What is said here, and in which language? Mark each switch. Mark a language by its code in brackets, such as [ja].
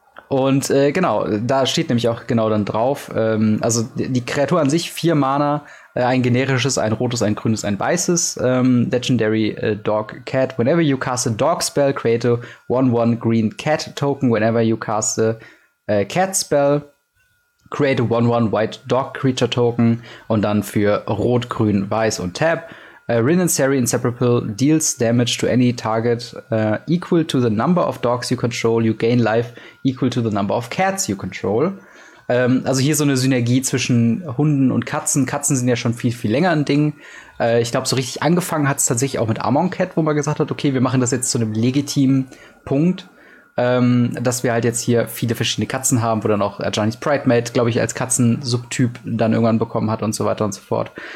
[de] Genau, da steht nämlich auch genau dann drauf. Also die Kreatur an sich, 4 Mana, ein generisches, ein rotes, ein grünes, ein weißes. [en] Legendary Dog Cat. Whenever you cast a dog spell, create a 1/1 green cat token. Whenever you cast a cat spell, create a 1/1 white dog creature token. [de] Und dann für rot, grün, weiß und tap. [en] Rin and Sari Inseparable deals damage to any target equal to the number of dogs you control. You gain life equal to the number of cats you control. [de] Also hier so eine Synergie zwischen Hunden und Katzen. Katzen sind ja schon viel, viel länger ein Ding. Ich glaube, so richtig angefangen hat es tatsächlich auch mit Amon Cat, wo man gesagt hat, okay, wir machen das jetzt zu einem legitimen Punkt, dass wir halt jetzt hier viele verschiedene Katzen haben, wo dann auch Ajani's Pride Mate, glaube ich, als Katzensubtyp dann irgendwann bekommen hat und so weiter und so fort.